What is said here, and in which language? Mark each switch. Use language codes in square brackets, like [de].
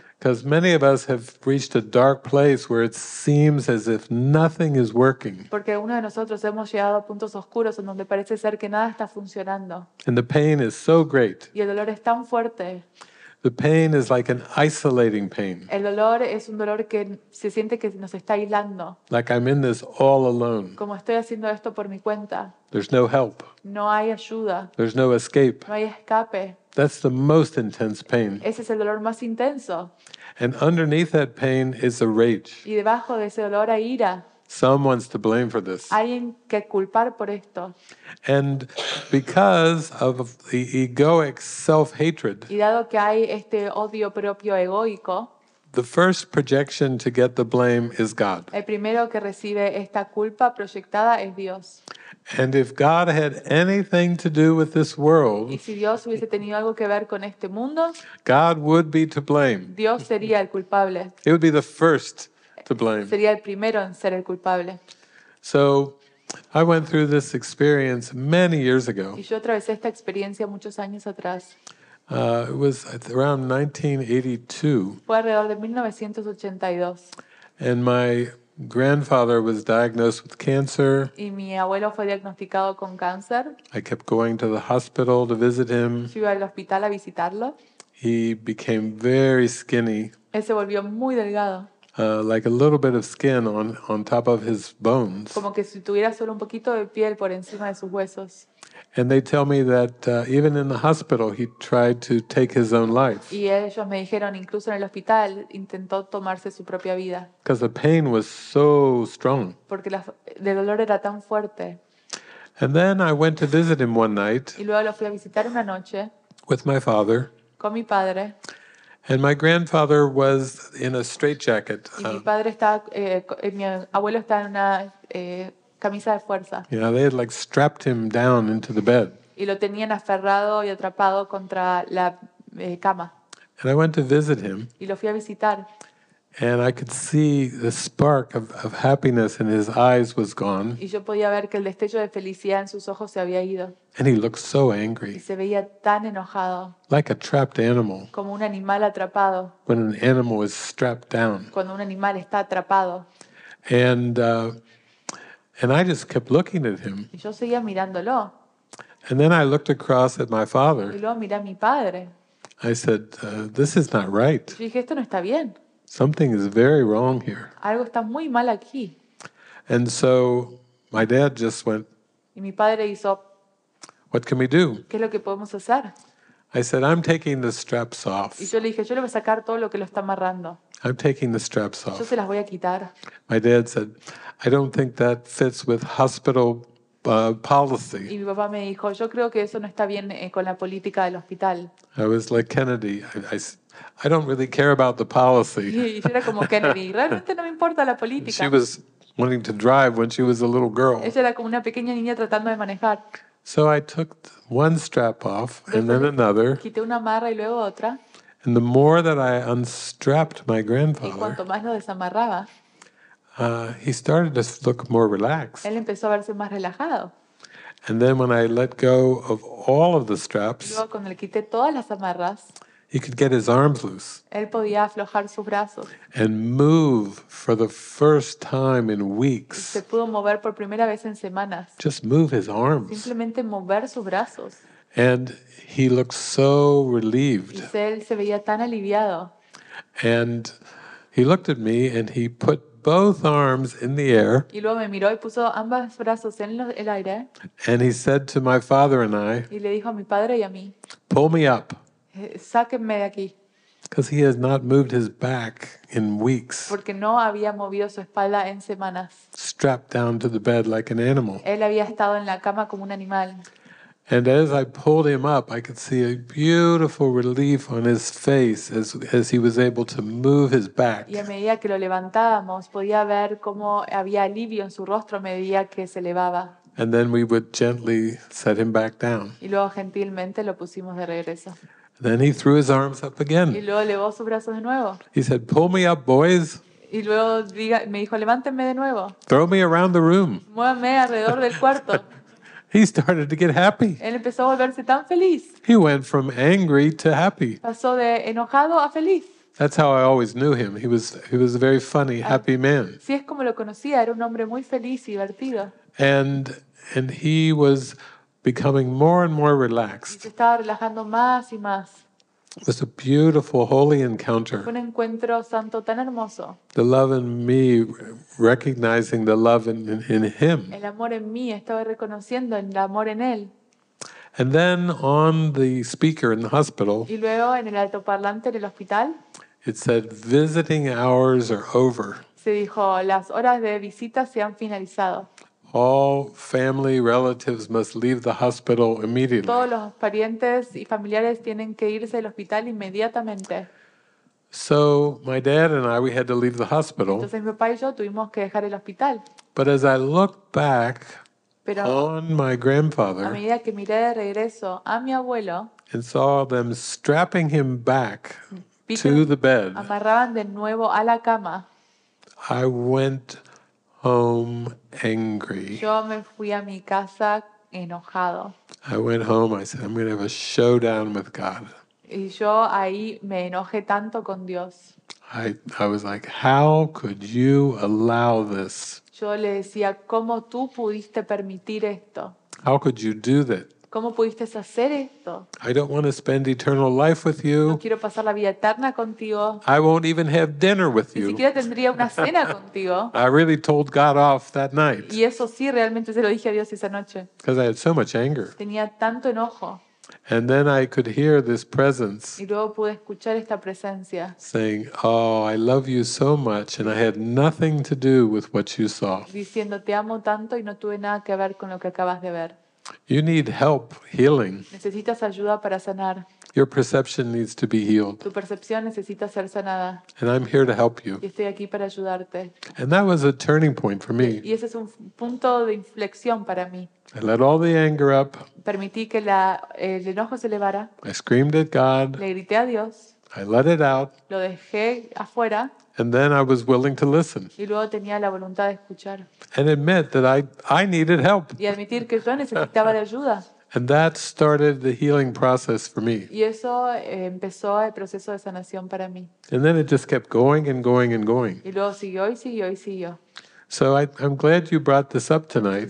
[en] Because many of us have reached a dark place where it seems as if nothing is working. [es] Porque uno de nosotros hemos llegado a puntos oscuros en donde parece ser que nada está funcionando. [en] And the pain is so great. [es] Y el dolor es tan fuerte. [en] The pain is like an isolating pain. [es] El dolor es un dolor que se siente que nos está aislando. [en] Like I'm in this all alone. [es] Como estoy haciendo esto por mi cuenta. [en] There's no help. [es] No hay ayuda. [en] There's no escape. [es] No hay escape. [en] That's the most intense pain. [es] Ese es el dolor más intenso. [en] And underneath that pain is a rage. [es] Y debajo de ese dolor hay ira. [en] Someone's to blame for this. [es] Alguien que culpar por esto. [en] And because of the egoic self-hatred, [es] y dado que hay este odio propio egoico, [en] the first projection to get the blame is God. [es] El primero que recibe esta culpa proyectada es Dios. [en] And if God had anything to do with this world, [es] y si Dios hubiese tenido algo que ver con este mundo, [en] God would be to blame. [es] Dios sería el culpable. [en] It would be the first to blame. [es] Sería el primero en ser el culpable. [en] So, I went through this experience many years ago. [es] Y yo atravesé esta experiencia muchos años atrás. [en] It was around 1982. [es] Fue alrededor de 1982. [en] And my grandfather was diagnosed with cancer. [es] Y mi abuelo fue diagnosticado con cáncer. [en] I kept going to the hospital to visit him. [es] Fui al hospital a visitarlo. [en] He became very skinny. [es] Él se volvió muy delgado. [en] Like a little bit of skin on top of his bones. [es] Como que si tuviera solo un poquito de piel por encima de sus huesos. [en] And they tell me that even in the hospital he tried to take his own life. [es] Y ellos me dijeron incluso en el hospital intentó tomarse su propia vida. [en] Because the pain was so strong. [es] Porque el dolor era tan fuerte. [en] And then I went to visit him one night. [es] Y luego lo fui a visitar una noche. [en] With my father. [es] Con mi padre. [en] And my grandfather was in a straitjacket. [es] Mi padre mi abuelo estaba en una camisa de fuerza. [en] You know, they had like strapped him down into the bed. [es] Y lo tenían aferrado y atrapado contra la cama. [en] And I went to visit him. [es] Y lo fui a visitar. [en] And I could see the spark of happiness in his eyes was gone. [es] Y yo podía ver que el destello de felicidad en sus ojos se había ido. [en] And he looked so angry. [es] Y se veía tan enojado. [en] Like a trapped animal. [es] Como un animal atrapado. [en] When an animal is strapped down. [es] Cuando un animal está atrapado. [en] And I just kept looking at him. [es] Y yo seguía mirándolo. [en] And then I looked across at my father. [es] Y luego miré a mi padre. [en] I said, "This is not right." [es] Yo dije, esto no está bien. [en] Something is very wrong here. [es] Algo está muy mal aquí. [en] And so my dad just went. [es] Y mi padre hizo. [en] What can we do? [es] ¿Qué es lo que podemos hacer? [en] I said, "I'm taking the straps off." [es] Y yo le dije, yo le voy a sacar todo lo que lo está amarrando. [en] I'm taking the straps off. [es] Yo se las voy a quitar. [en] My dad said, "I don't think that fits with hospital policy." [es] Y mi papá me dijo, yo creo que eso no está bien con la política del hospital. [en] I was like Kennedy. I don't really care about the policy. [es] Era como Kennedy. Realmente no me importa la política. [en] She was wanting to drive when she was a little girl. [es] Ella era como una pequeña niña tratando de manejar. [en] So I took one strap off and then another. [es] Quité una amarra y luego otra. [en] And the more that I unstrapped my grandfather, [es] y cuanto más lo desamarraba, [en] he started to look more relaxed. [es] Él empezó a verse más relajado. [en] And then when I let go of all of the straps, [es] luego cuando le quité todas las amarras, [en] he could get his arms loose. [es] Él podía aflojar sus brazos. [en] And move for the first time in weeks. [es] Se pudo mover por primera vez en semanas. [en] Just move his arms. [es] Simplemente mover sus brazos. [en] And he looked so relieved. [es] Y él se veía tan aliviado. [en] And he looked at me and he put both arms in the air. [es] Y luego me miró y puso ambos brazos en el aire. [en] And he said to my father and I, [es] y le dijo a mi padre y a mí, [en] "Pull me up." [es] Sáquenme de aquí. [en] Because he has not moved his back in weeks. [es] Porque no había movido su espalda en semanas. [en] Strapped down to the bed like an animal. [es] Él había estado en la cama como un animal. [en] And as I pulled him up, I could see a beautiful relief on his face as he was able to move his back. [es] Y a medida que lo levantábamos, podía ver cómo había alivio en su rostro a medida que se elevaba. [en] And then we would gently set him back down. [es] Y luego gentilmente lo pusimos de regreso. [en] Then he threw his arms up again. [es] Y luego elevó sus brazos de nuevo. [en] He said, "Pull me up, boys." [es] Y luego me dijo, "Levántenme de nuevo." [en] "Throw me around the room." [es] Muévame alrededor del cuarto. [en] He started to get happy. [es] Él empezó a volverse tan feliz. [en] He went from angry to happy. [es] Pasó de enojado a feliz. [en] That's how I always knew him. He was a very funny, happy man. [es] Sí, es como lo conocía. Era un hombre muy feliz y divertido. [en] And he was becoming more and more relaxed. [es] Y se estaba relajando más y más. [en] was a beautiful, holy encounter. [es] Un encuentro santo tan hermoso. [en] The love in me recognizing the love in him. [es] El amor en mí estaba reconociendo el amor en él. [en] And then on the speaker in the hospital. [es] Y luego en el altoparlante del hospital. [en] It said, "Visiting hours are over." [es] Se dijo, las horas de visita se han finalizado. [en] All family relatives must leave the hospital immediately. [es] Todos los parientes y familiares tienen que irse del hospital inmediatamente. [en] So my dad and I, we had to leave the hospital. [es] Entonces mi papá y yo tuvimos que dejar el hospital. [en] But as I look back on my grandfather, [es] a medida que miré de regreso a mi abuelo, [en] and saw them strapping him back to the bed, [es] amarraban de nuevo a la cama, [en] I went home angry. [es] Yo me fui a mi casa enojado. [en] I went home, I said, I'm going to have a showdown with God. [es] Y yo ahí me enojé tanto con Dios. [en] I was like, how could you allow this? [es] Yo le decía, ¿cómo tú pudiste permitir esto? [en] How could you do that? [es] ¿Cómo pudiste hacer esto? [en] I don't want to spend eternal life with you. [es] No quiero pasar la vida eterna contigo. [en] I won't even have dinner with you. [es] Ni siquiera tendría una cena contigo. [en] I really told God off that night. [es] Y eso sí, realmente se lo dije a Dios esa noche. [en] Because I had so much anger. [es] Tenía tanto enojo. [en] And then I could hear this presence. [es] Y luego pude escuchar esta presencia. [en] Saying, "Oh, I love you so much, and I had nothing to do with what you saw." [es] Diciendo, te amo tanto y no tuve nada que ver con lo que acabas de ver. [en] You need help healing. [es] Necesitas ayuda para sanar. [en] Your perception needs to be healed. [es] Tu percepción necesita ser sanada. [en] And I'm here to help you. [es] Y estoy aquí para ayudarte. [en] And that was a turning point for me. [es] Y ese es un punto de inflexión para mí. [en] I let all the anger up. [es] Permití que el enojo se elevara. [en] I screamed at God. [es] Le grité a Dios. [en] I let it out. [es] Lo dejé afuera. [en] And then I was willing to listen. [es] Y luego tenía la voluntad de escuchar. [en] And admit that I needed help. [es] Y admitir que yo necesitaba de ayuda. [en] And that started the healing process for me. [es] Y eso empezó el proceso de sanación para mí. [en] And then it just kept going and going and going. [es] Y luego siguió y siguió y siguió. [en] So I'm glad you brought this up tonight.